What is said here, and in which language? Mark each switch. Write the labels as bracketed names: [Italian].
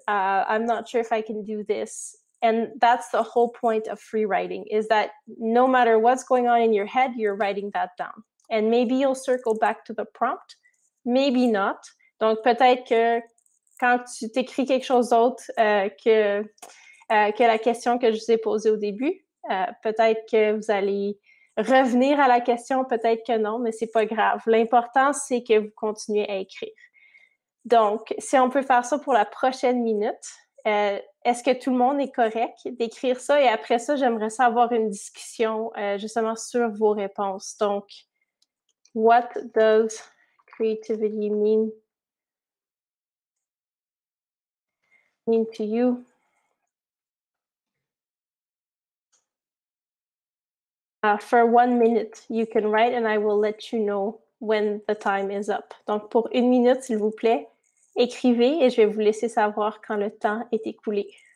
[English] I'm not sure if I can do this. And that's the whole point of free writing, is that no matter what's going on in your head, you're writing that down. And maybe you'll circle back to the prompt. Maybe not. [French] Donc peut-être que quand tu t'écris quelque chose d'autre que la question que je vous ai posée au début, peut-être que vous allez revenir à la question, peut-être que non, mais c'est pas grave. L'important, c'est que vous continuez à écrire. Donc, si on peut faire ça pour la prochaine minute, est-ce que tout le monde est correct d'écrire ça? Et après ça, j'aimerais ça avoir une discussion justement sur vos réponses. [English] Donc, what does creativity mean to you? For 1 minute, you can write and I will let you know when the time is up. [French] Donc, pour 1 minute, s'il vous plaît, écrivez et je vais vous laisser savoir quand le temps est écoulé.